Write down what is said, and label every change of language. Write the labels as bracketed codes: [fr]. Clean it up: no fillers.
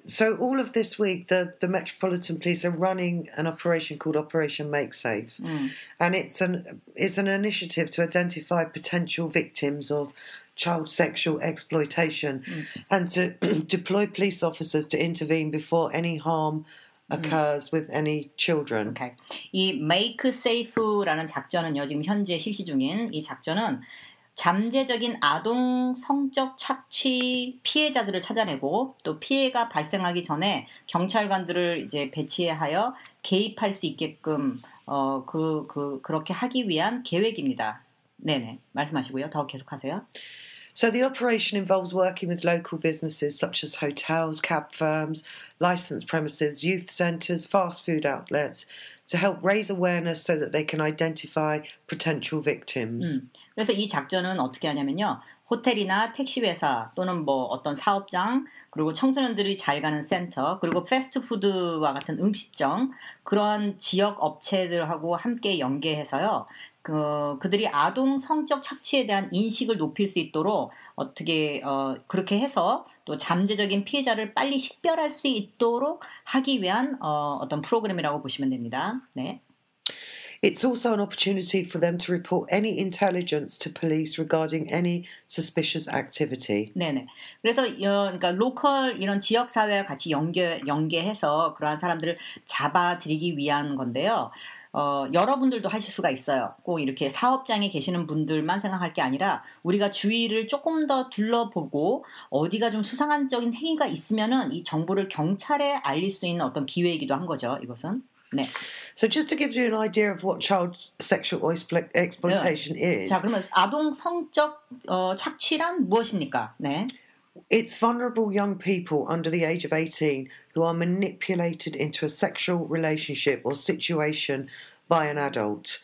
[en] So all of this week, the Metropolitan Police are running an operation called Operation Make Safe, and it's an initiative to identify potential victims of child sexual exploitation and to deploy police officers to intervene before any harm occurs with any children. Okay. [ko] 이 Make Safe라는 작전은요, 지금 현재 실시 중인 이 작전은 잠재적인 아동 성적 착취 피해자들을 찾아내고 또 피해가 발생하기 전에 경찰관들을 이제 배치하여 개입할 수 있게끔 그렇게 하기 위한 계획입니다. 네네. 말씀하시고요. 더 계속하세요. [en] So the operation involves working with local businesses such as hotels, cab firms, licensed premises, youth centres, fast food outlets to help raise awareness so that they can identify potential victims. [ko] 그래서 이 작전은 어떻게 하냐면요. 호텔이나 택시회사 또는 뭐 어떤 사업장 그리고 청소년들이 잘 가는 센터 그리고 패스트푸드와 같은 음식점 그런 지역 업체들하고 함께 연계해서요. 그들이 아동 성적 착취에 대한 인식을 높일 수 있도록 어떻게 그렇게 해서 또 잠재적인 피해자를 빨리 식별할 수 있도록 하기 위한 어떤 프로그램이라고 보시면 됩니다. 네. [en] It's also an opportunity for them to report any intelligence to police regarding any suspicious activity. [ko] 네네. 그래서 그러니까 로컬 이런 지역 사회와 같이 연계해서 그러한 사람들을 잡아들이기 위한 건데요. 여러분들도 하실 수가 있어요. 꼭 이렇게 사업장에 계시는 분들만 생각할 게 아니라 우리가 주위를 조금 더 둘러보고 어디가 좀 수상한적인 행위가 있으면은 이 정보를 경찰에 알릴 수 있는 어떤 기회이기도 한 거죠. 이것은. 네. [en] So just to give you an idea of what child sexual exploitation is. [ko] 자, 그러면 아동 성적 착취란 무엇입니까? 네. [en] It's vulnerable young people under the age of 18 who are manipulated into a sexual relationship or situation by an adult.